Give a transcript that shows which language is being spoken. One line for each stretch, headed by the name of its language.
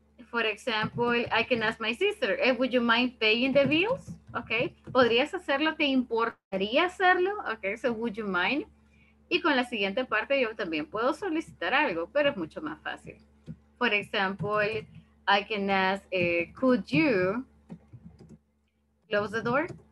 English: For example, I can ask my sister, hey, would you mind paying the bills?
Spanish: Okay, ¿podrías hacerlo? ¿Te importaría hacerlo?
English: Okay, so would you mind?
Spanish: Y con la siguiente parte yo también puedo solicitar algo, pero es mucho más fácil.
English: For example, I can ask, could you close the door?